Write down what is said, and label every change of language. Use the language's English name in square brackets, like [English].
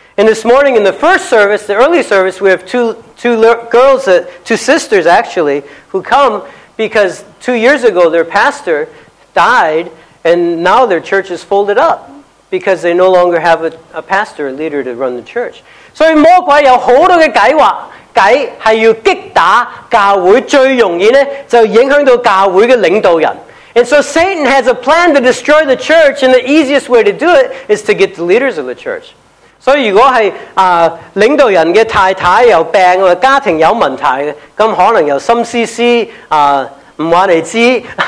[English] And this morning in the first service, the early service, we have two sisters actually who come because 2 years ago their pastor died. And now their church is folded up because they no longer have a pastor, a leader to run the church. So [Cantonese] 魔鬼有好多嘅計係要擊打教會，最容易呢就影響到教會嘅領導人。 [English] And so Satan has a plan to destroy the church, and the easiest way to do it is to get the leaders of the church. So [Cantonese] 如果係領導人嘅太太有病，或者家庭有問題，咁可能有心思思唔話你知。